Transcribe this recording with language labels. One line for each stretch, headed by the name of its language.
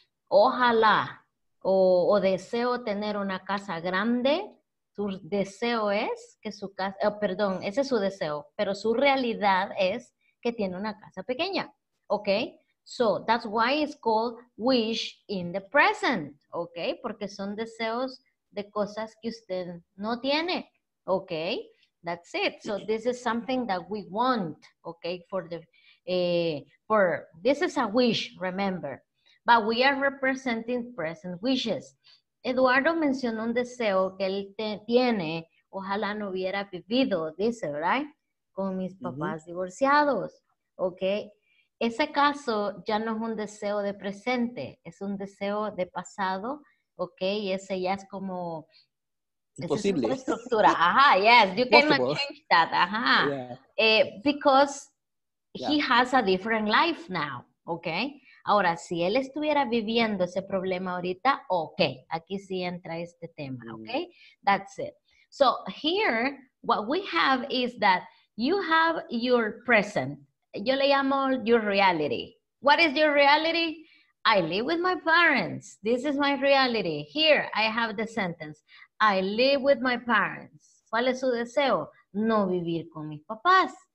Spanish: Ojalá, o deseo tener una casa grande, su deseo es que su casa, perdón, ese es su deseo, pero su realidad es que tiene una casa pequeña, okay?
English: So that's why it's called wish in the present, okay?
Spanish: Porque son deseos de cosas que usted no tiene,
English: okay? That's it. So this is something that we want, okay, for the for this is a wish, remember. But we are representing present wishes.
Spanish: Eduardo mencionó un deseo que él tiene, ojalá no hubiera vivido, dice, right? Con mis papás mm-hmm. divorciados, okay? Ese caso ya no es un deseo de presente, es un deseo de pasado, okay? Y ese ya es como... Imposible. Es estructura.
English: Ajá, yes, you cannot change that, ajá. Yeah. Because he yeah. has a different life now, okay?
Spanish: Ahora, si él estuviera viviendo ese problema ahorita, ok, aquí sí entra este tema, ok?
English: That's it. So, here, what we have is that you have your present.
Spanish: Yo le llamo
English: your reality. What is your reality? I live with my parents. This is my reality. Here, I have the sentence. I live with my parents.
Spanish: ¿Cuál es su deseo? No vivir con mis papás.